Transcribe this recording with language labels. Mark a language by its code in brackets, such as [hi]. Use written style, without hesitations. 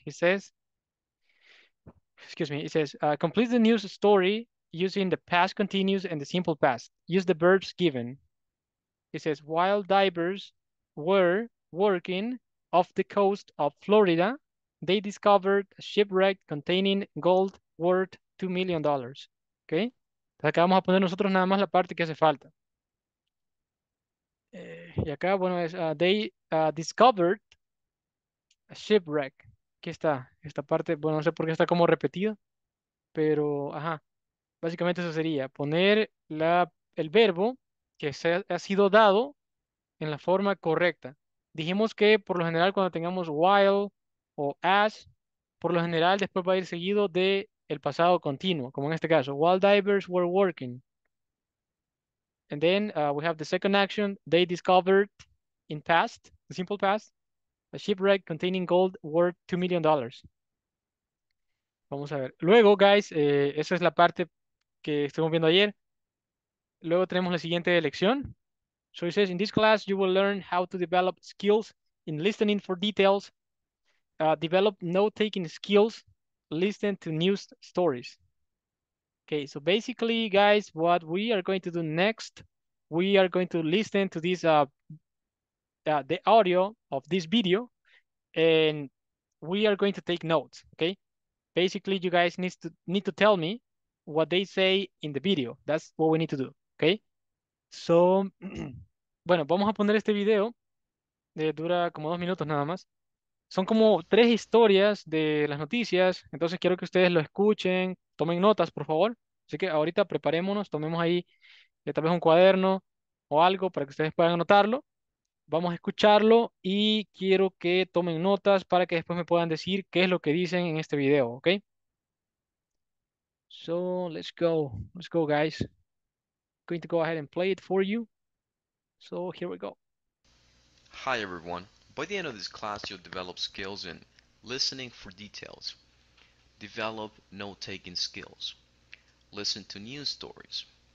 [en] It says, complete the news story using the past continuous and the simple past. Use the verbs given. It says, while divers were working off the coast of Florida, they discovered a shipwreck containing gold worth $2 million. Okay? [es] Acá vamos a poner nosotros nada más la parte que hace falta. Y acá, bueno, es, [en] they discovered a shipwreck. [es] Aquí está, esta parte, bueno, no sé por qué está como repetida, pero, ajá, básicamente eso sería poner la, el verbo que se ha sido dado en la forma correcta. Dijimos que por lo general cuando tengamos while o as, por lo general después va a ir seguido de el pasado continuo, como en este caso, [en] while divers were working. And then we have the second action, they discovered in past, the simple past, a shipwreck containing gold worth $2 million. [es] Vamos a ver. Luego, guys, esa es la parte que estuvimos viendo ayer. Luego tenemos la siguiente lección. [en] So it says, in this class, you will learn how to develop skills in listening for details, develop note-taking skills, listen to news stories. Okay, so basically, guys, what we are going to do next, we are going to listen to this, the audio of this video, and we are going to take notes, okay? Basically, you guys need to tell me what they say in the video. That's what we need to do, okay? So, [es] bueno, vamos a poner este video. Dura como 2 minutos nada más. Son como 3 historias de las noticias, entonces quiero que ustedes lo escuchen. Tomen notas, por favor. Así que ahorita preparémonos, tomemos ahí tal vez un cuaderno o algo para que ustedes puedan anotarlo. Vamos a escucharlo y quiero que tomen notas para que después me puedan decir qué es lo que dicen en este video, ¿ok? [en] So, let's go guys. I'm going to go ahead and play it for you. So, here we go. Hi everyone. By the end of this class, you'll develop skills in listening for details. Develop note-taking skills. Listen to news stories.